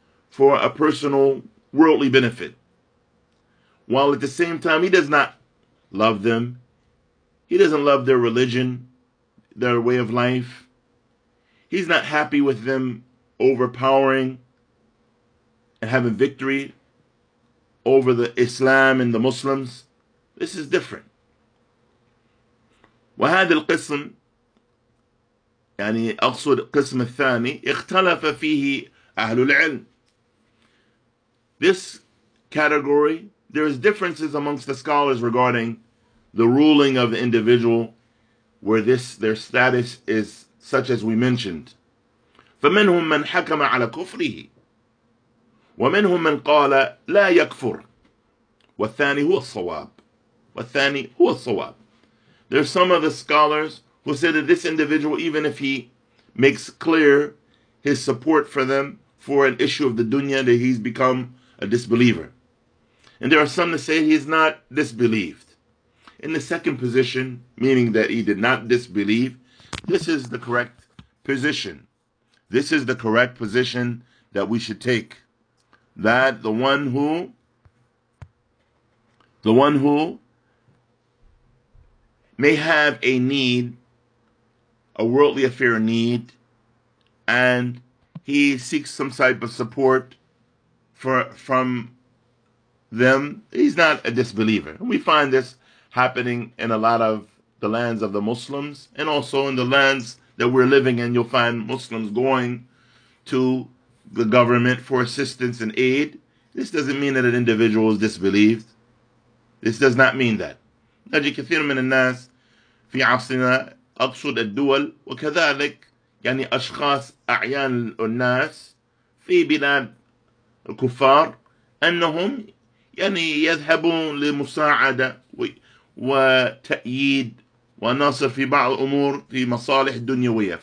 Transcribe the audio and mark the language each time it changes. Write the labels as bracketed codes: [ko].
[en] For a personal worldly benefit. While at the same time, he does not love them. He doesn't love their religion, their way of life. He's not happy with them overpowering and having victory over the Islam and the Muslims. This is different. [ar] وهذا القسم يعني أقصد القسم الثاني اختلف فيه أهل العلم. [en] This category, there is differences amongst the scholars regarding the ruling of the individual where this their status is such as we mentioned. [ar] فمنهم من حكم على كفره ومنهم من قال لا يكفر والثاني هو الصواب والثاني هو الصواب. [en] There are some of the scholars who say that this individual, even if he makes clear his support for them for an issue of the dunya, that he's become a disbeliever. And there are some that say he's not disbelieved. In the second position, meaning that he did not disbelieve, this is the correct position. This is the correct position that we should take. That the one who may have a need, a worldly affair need, and he seeks some type of support from them, he's not a disbeliever. We find this happening in a lot of the lands of the Muslims and also in the lands that we're living in. You'll find Muslims going to the government for assistance and aid. This doesn't mean that an individual is disbelieved. This does not mean that. [ar] نجي كثير من الناس في عصرنا أقصد الدول وكذلك يعني أشخاص أعيان الناس في بلاد الكفار أنهم يعني يذهبون لمساعدة وتأييد ونصر في بعض الأمور في مصالح دنيوية.